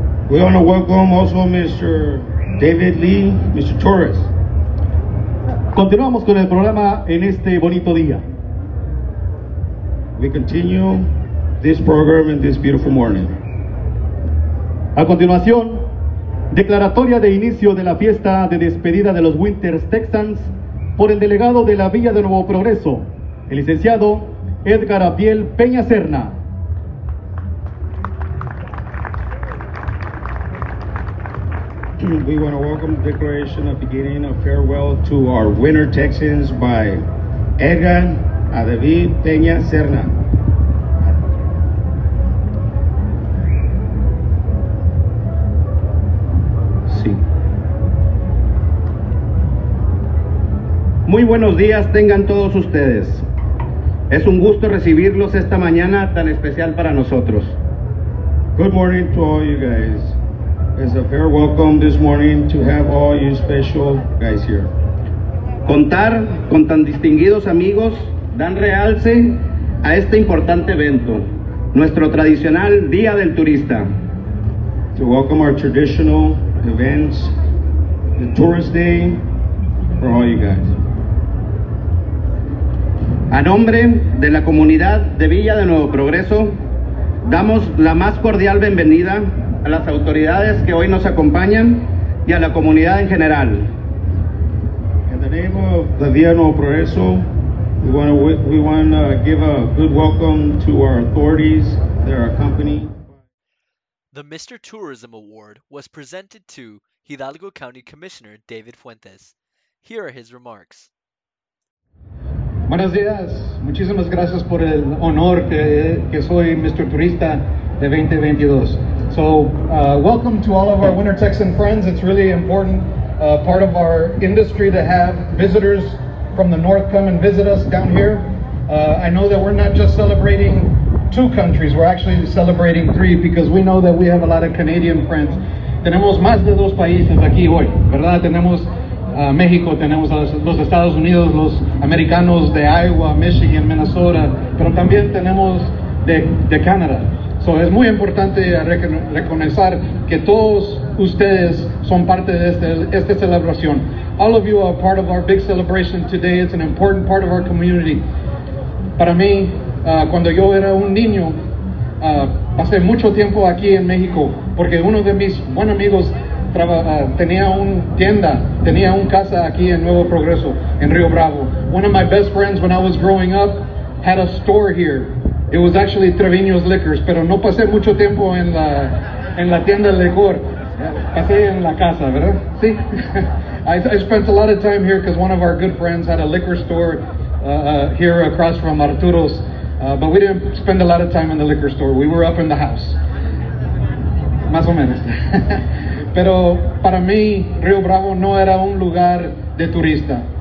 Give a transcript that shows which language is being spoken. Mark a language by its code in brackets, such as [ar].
[en] We want to welcome also Mr. David Lee, Mr. Torres. [es] Continuamos con el programa en este bonito día. [en] We continue this program in this beautiful morning. [es] A continuación, declaratoria de inicio de la fiesta de despedida de los Winter Texans por el delegado de la Villa de Nuevo Progreso, el licenciado Edgar Abiel Peña Serna. [en] We want to welcome the declaration of beginning of farewell to our winter Texans by Edgar Adavid Peña Serna. [es] Sí. Muy buenos días tengan todos ustedes. Es un gusto recibirlos esta mañana tan especial para nosotros. [en] Good morning to all you guys. It's a fair welcome this morning to have all you special guys here. [es] Contar con tan distinguidos amigos dan realce a este importante evento, nuestro tradicional Día del Turista. [en] To welcome our traditional events, the Tourist Day, for all you guys. [es] A nombre de la comunidad de Villa de Nuevo Progreso, damos la más cordial bienvenida a las autoridades que hoy nos acompañan y a la comunidad en general. [en] In the name of the Villa Nuevo Progreso, we want to give a good welcome to our authorities that are accompanying. The Mr. Tourism Award was presented to Hidalgo County Commissioner David Fuentes. Here are his remarks. [es] Buenos días. Muchísimas gracias por el honor que soy Mr. Turista de 2022. [en] So welcome to all of our Winter Texan friends. It's really important part of our industry to have visitors from the north come and visit us down here. I know that we're not just celebrating two countries, we're actually celebrating three, because we know that we have a lot of Canadian friends. [es] Tenemos más de dos países aquí hoy, ¿verdad? Tenemos México, tenemos los Estados Unidos, los americanos de Iowa, Michigan, Minnesota, pero también tenemos de Canadá. So es muy importante reconocer que todos ustedes son parte de esta celebración. [en] All of you are part of our big celebration today. It's an important part of our community. [es] Para mí, cuando yo era un niño, pasé mucho tiempo aquí en México, porque uno de mis buenos amigos tenía un casa aquí en Nuevo Progreso, en Río Bravo. [en] One of my best friends when I was growing up had a store here. It was actually Treviño's Liquors, [es] pero no pasé mucho tiempo en la tienda de licor. Pasé en la casa, ¿verdad? Sí. [en] I spent a lot of time here because one of our good friends had a liquor store here across from Arturo's. But we didn't spend a lot of time in the liquor store. We were up in the house. [es] Más o menos. Pero para mí, Río Bravo no era un lugar de turista.